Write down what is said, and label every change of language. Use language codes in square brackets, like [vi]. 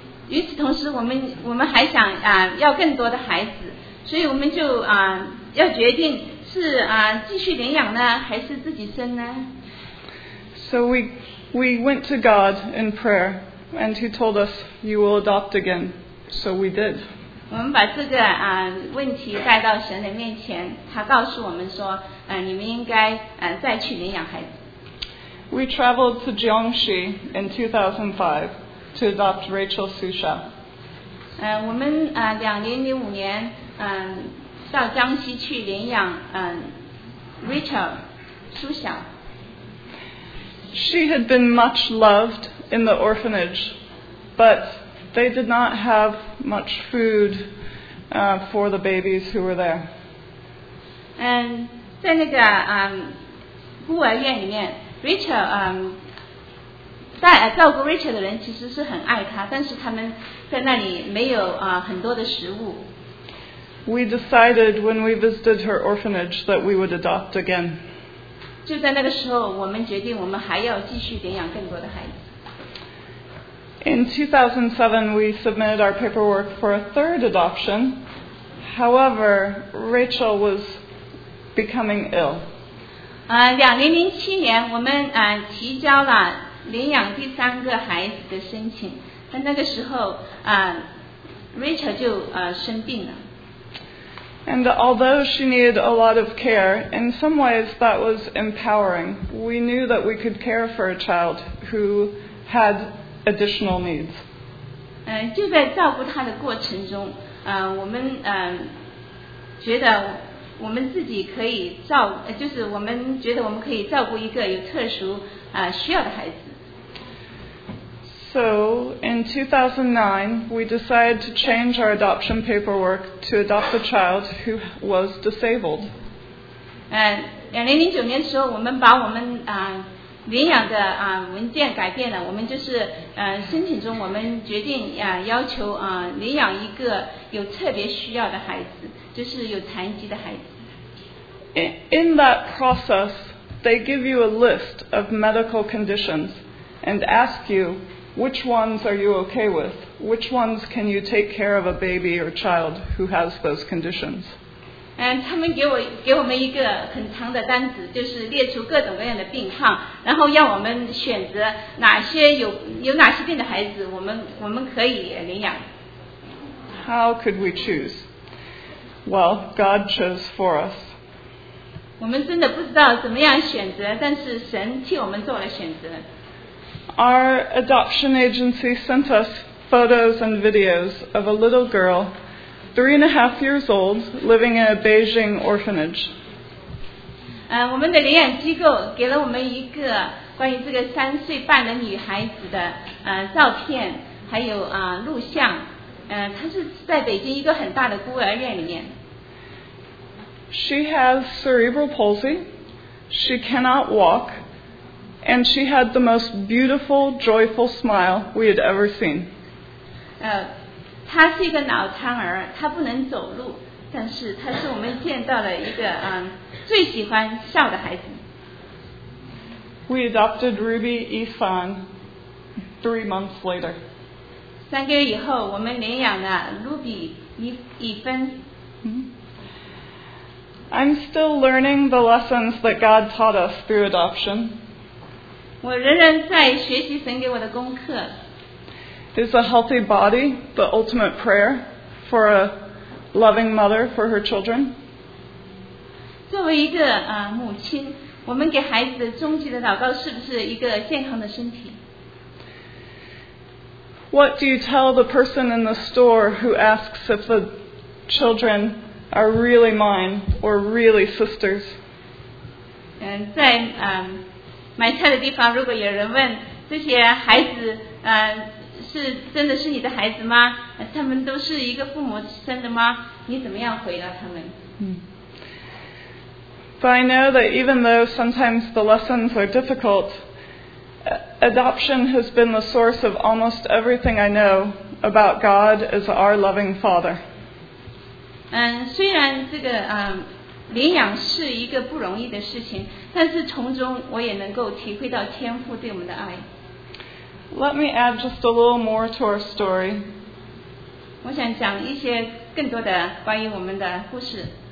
[zh] 与此同时，我们还想要更多的孩子，所以我们就要决定是继续领养呢，还是自己生呢？ [en] So we went to God in prayer, and He told us, "You will adopt again." So we did. [zh] 我们把这个问题带到神的面前，他告诉我们说，你们应该再去领养孩子。 [en] We traveled to Jiangxi in 2005 to adopt Rachel Susha. [zh] 我们2005年到江西去领养Rachel 苏小。 [en] She had been much loved in the orphanage, but they did not have much food for the babies who were there. [zh] And 在那个孤儿院里面 ，Rachel 照顾 Rachel 的人其实是很爱她，但是他们在那里没有很多的食物。 [en] We decided when we visited her orphanage that we would adopt again. [zh] 就在那个时候，我们决定我们还要继续领养更多的孩子。 [en] In 2007, we submitted our paperwork for a third adoption. However, Rachel was becoming ill. [zh] 2007年，我们提交了领养第三个孩子的申请，但那个时候Rachel 就生病了。 [en] And although she needed a lot of care, in some ways that was empowering. We knew that we could care for a child who had additional needs. [zh] 就在照顾她的过程中，我们觉得我们自己可以照，就是我们觉得我们可以照顾一个有特殊需要的孩子。 [en] So, in 2009, we decided to change our adoption paperwork to adopt a child who was disabled. [zh] And 2009的时候，我们把我们领养的文件改变了。我们就是申请中，我们决定要求领养一个有特别需要的孩子，就是有残疾的孩子。 [en] In that process, they give you a list of medical conditions and ask you. Which ones are you okay with? Which ones can you take care of a baby or child who has those conditions? [zh] And 他们给我们一个很长的单子，就是列出各种各样的病况，然后让我们选择哪些有哪些病的孩子，我们可以领养。 [en] How could we choose? Well, God chose for us. [zh] 我们真的不知道怎么样选择，但是神替我们做了选择。 [en] Our adoption agency sent us photos and videos of a little girl, 3.5 years old, living in a Beijing orphanage. [zh] 我们的领养机构给了我们一个关于这个3岁半的女孩子的照片，还有录像。她是在北京一个很大的孤儿院里面。 [en] She has cerebral palsy. She cannot walk. And she had the most beautiful, joyful smile we had ever seen. [zh] 她是一个脑瘫儿，她不能走路，但是她是我们见到的一个最喜欢笑的孩子。 [en] We adopted Ruby Isan 3 months later. [zh] 三个月以后，我们领养了 Ruby 伊芬。 [en] I'm still learning the lessons that God taught us through adoption. [zh] 我仍然在学习神给我的功课。 [en] Is a healthy body the ultimate prayer for a loving mother for her children? [zh] 作为一个母亲，我们给孩子的终极的祷告是不是一个健康的身体？ [en] What do you tell the person in the store who asks if the children are really mine or really sisters? [zh] 在买菜的地方，如果有人问这些孩子是真的是你的孩子吗？他们都是一个父母生的吗？你怎么样回答他们？嗯。 [en] But I know that even though sometimes the lessons are difficult, adoption has been the source of almost everything I know about God as our loving Father. [zh] 虽然这个领养是一个不容易的事情，但是从中我也能够体会到天父对我们的爱。 [en] Let me add just a little more to our story. [zh] 我想讲一些更多的关于我们的故事。